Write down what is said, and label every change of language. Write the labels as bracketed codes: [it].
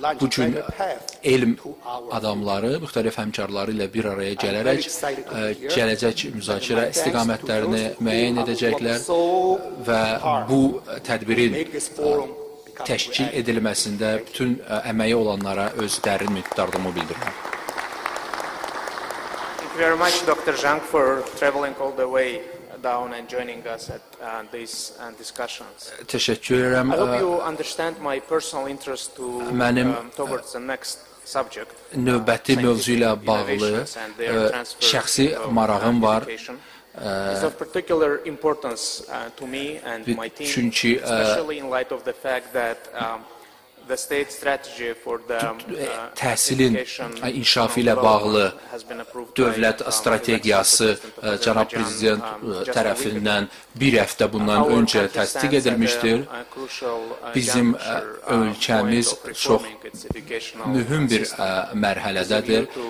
[az] Bu gün elm adamları, müxtəlif həmkarları ilə bir araya gələrək gələcək müzakirə istiqamətlərini müəyyən edəcəklər və bu tədbirin təşkil edilməsində bütün əməyi olanlara öz dərin minnətdarlığımı bildirirəm. [en] Thank you very much, Dr. Zhang, for traveling all the way down and joining us at these discussions. [az] Təşəkkür edirəm. [en] I hope you understand my personal interest to towards the next subject. [az] Növbəti mövzu ilə bağlı şəxsi marağım var. [en] It's of particular importance to me and my team, [az] çünki, [en] especially in light of the fact that the state strategy for the [az] təhsilin inkişafı ilə bağlı dövlət strategiyası cənab prezident tərəfindən bir həftə bundan öncə təsdiq edilmişdir. Bizim ölkəmiz çox mühüm bir mərhələdədir.